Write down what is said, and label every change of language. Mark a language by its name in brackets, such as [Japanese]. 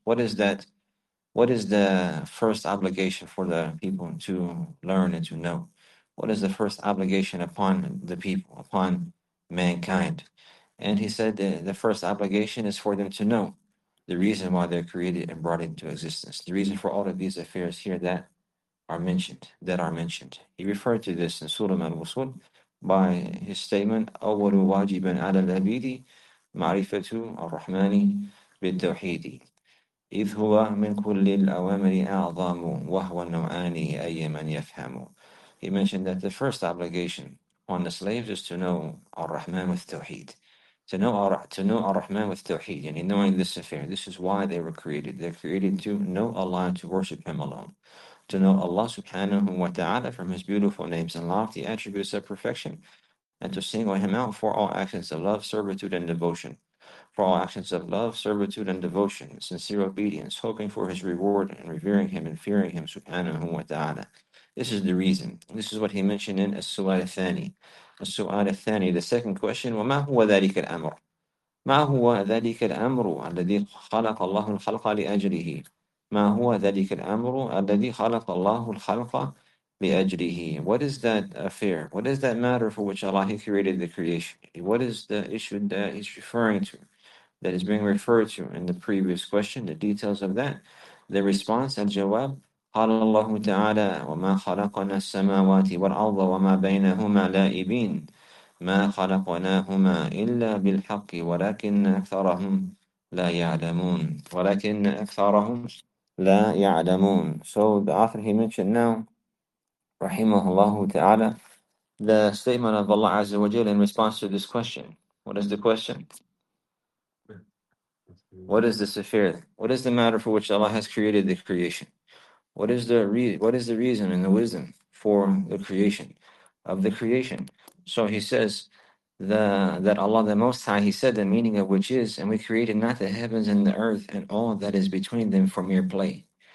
[English] What is the first obligation for the people to learn and to know? What is the first obligation upon the people, upon mankind? And he said the first obligation is for them to know the reason why they're created and brought into existence. The reason for all of these affairs here that are mentioned. He referred to this in Surah Al-Wusul by his statement, [Arabic] أَوَّلُ وَاجِبًا عَلَى الْعَبِيدِ مَعْرِفَةُ الرَّحْمَنِ بِالتَّوْحِيدِ إِذْ هُوَ مِنْ كُلِّ الْأَوَامِرِ أَعْظَامُ وَهُوَ النَّوْعَانِ أَيَّ مَنْ يَفْهَمُ. [English] He mentioned that the first obligation on the slaves is to know Ar-Rahman with Tawheed. to know Ar-Rahman with Tawheed, and knowing this affair, this is why they were created. They're created to know Allah, to worship Him alone, to know Allah subhanahu wa ta'ala from His beautiful names and lofty attributes of perfection, and to single Him out for all actions of love, servitude, and devotion. For all actions of love, servitude, and devotion, sincere obedience, hoping for His reward, and revering Him and fearing Him subhanahu wa ta'ala. This is the reason. This is what he mentioned in As-Su'al Thani. As-Su'al Thani, the second question, [Arabic] وَمَا هُوَ ذَلِكَ الْأَمْرُ مَا هُوَ ذَلِكَ الْأَمْرُ الَّذِي خَلَقَ اللَّهُ الْخَلْقَ لِأَجْلِهِ مَا هُوَ ذَلِكَ الْأَمْرُ الَّذِي خَلَقَ اللَّهُ الْخَلْقَ لِأَجْلِهِ [English] What is that affair? What is that matter for which Allah created the creation? What is the issue that he's referring to, that is being referred to in the previous question, the details of that? The response, al-jawab, [Arabic] قال الله تعالى وما خلقنا السماوات والأرض وما بينهما لاعبين ما خلقناهما إلا بالحق ولكن أكثرهم لا يعلمون ولكن أكثرهم لا يعلمون [English] So the author he mentioned now, [Arabic] رحمه الله تعالى, [English] the statement of Allah Azza wa Jalla in response to this question. What is the question? What is this affair? What is the matter for which Allah has created the creation? What is the reason and the wisdom for the creation of the creation? So he says that Allah the Most High, he said the meaning of which is, and we created not the heavens and the earth and all that is between them for mere play.